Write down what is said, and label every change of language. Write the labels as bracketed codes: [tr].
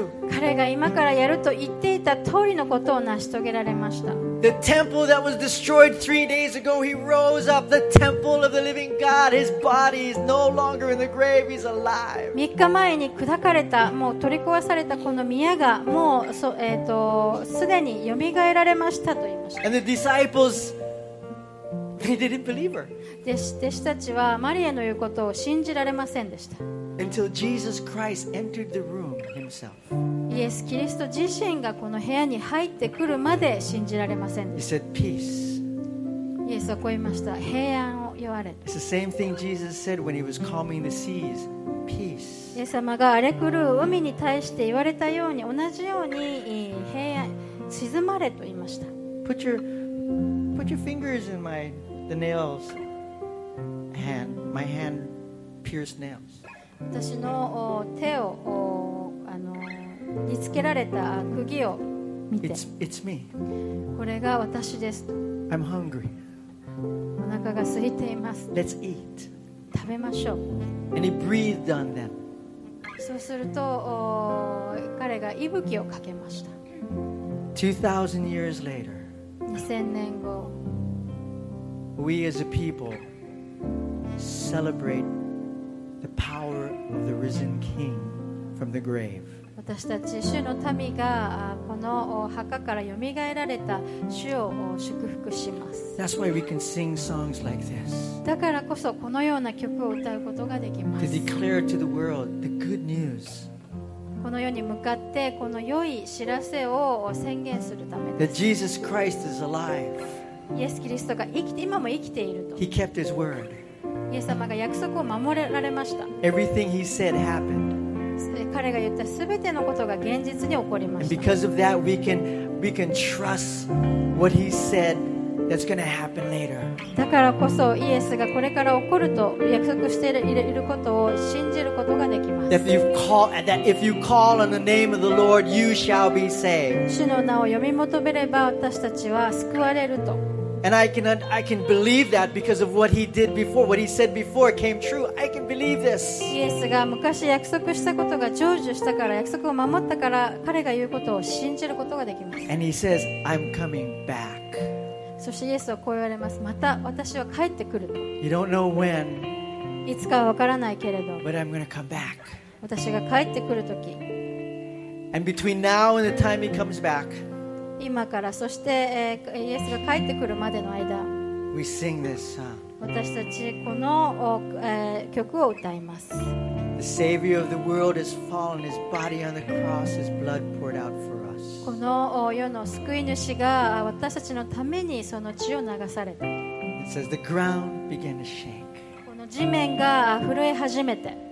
[ja] 彼が今からやると言っていた通りのことを成し遂げられました。 [en] The temple that was destroyed three days ago, he rose up. The temple of the living God, his body is no longer in the grave, he's alive. [ja] 3日前に砕かれた、もう取り壊されたこの宮が、もうそ、すでによみがえられましたと言いました。 [en] And the disciples, they didn't believe her. [ja] 弟子たちはマリアの言うことを信じられませんでした。 [en] Until Jesus Christ entered the room himself. [ja] イエス・キリスト自身がこの部屋に入ってくるまで信じられませんでした。 [en] He said, Peace. [ja] イエスはこう言いました。平安を言われ。 [en] It's the same thing Jesus said when he was calming the seas. Peace. [ja] イエス様が荒れ狂う海に対して言われたように、同じように平安、静まれと言いました。 [en] Put your fingers in my, the nails, hand, my hand pierced nails. [ja] 私の手を、見つけられた釘を見て、 [en] it's me. [ja] これが私です。 [en] I'm hungry. [ja] お腹が空いています。 [en] Let's eat. [ja] 食べましょう。 [en] And he breathed on them. [ja] そうすると、彼が息吹をかけました。 [en] 2000 years later. [ja] 2000年後。 [en] We as a people celebrate the power of the risen King from the grave. [ja] 私たち主の民がこの墓からよみがえられた主を祝福します。 [en] That's why we can sing songs like this. [ja] だからこそこのような曲を歌うことができます。 [en] To declare to the world the good news. [ja] この世に向かってこの良い知らせを宣言するためです。 [en] That Jesus Christ is alive. [ja] イエス・キリストが生きて今も生きていると。 [en] He kept his word. [ja] イエス様が約束を守れられました。 [en] Everything he said happened. [ja] 彼が言ったすべてのことが現実に起こりました。 [en] Because of that, we can trust what he said that's going to happen later. [ja] だからこそイエスがこれから起こると約束していることを信じることができます。 [en] If you call on the name of the Lord, you shall be saved. [ja] 主の名を呼び求めれば私たちは救われると。 [en] And I can believe that because of what he did before, what he said before came true. I can believe this. [ja] イエスが昔約束したことが成就したから、約束を守ったから、彼が言うことを信じることができます。 [en] And he says, I'm coming back. [ja] そしてイエスはこう言われます。また私は帰ってくる。 [en] You don't know when. [ja] いつかは分からないけれど。 [en] But I'm going to come back. [ja] 私が帰ってくるとき。 [en] And between now and the time he comes back. [ja] 今からそして、イエスが帰ってくるまでの間、 [en] We sing this song. [ja] 私たちこの、曲を歌います。 [en] The Savior of the world has fallen, His body on the cross, His blood poured out for us. [ja] この世の救い主が私たちのためにその血を流された。 [en] It says the ground began to shake. [ja] この地面が震え始めて、